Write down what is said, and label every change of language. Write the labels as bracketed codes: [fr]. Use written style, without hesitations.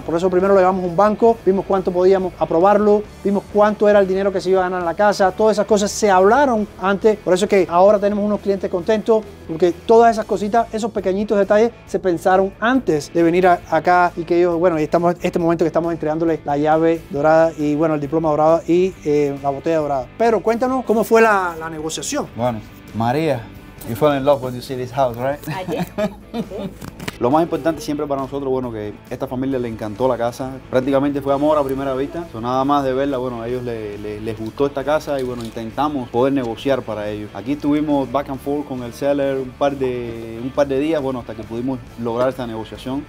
[es] Por eso primero lo llevamos a un banco, vimos cuánto podíamos aprobarlo, vimos cuánto era el dinero que se iba a ganar en la casa, todas esas cosas se hablaron antes. Por eso es que ahora tenemos unos clientes contentos, porque todas esas cositas, esos pequeñitos detalles, se pensaron antes de venir acá y que ellos, bueno, estamos en este momento que estamos entregándoles la llave dorada y bueno, el diploma dorado y la botella dorada. Pero cuéntanos, ¿cómo fue la negociación? [en] Bueno, María, you fell in love when you see this house, right? I did. [es] Lo más importante siempre para nosotros, bueno, que esta familia le encantó la casa. Prácticamente fue amor a primera vista. So, nada más de verla, bueno, a ellos les gustó esta casa y bueno, intentamos poder negociar para ellos. Aquí estuvimos [en] back and forth [es] con el seller un par de días, bueno, hasta que pudimos lograr esta negociación.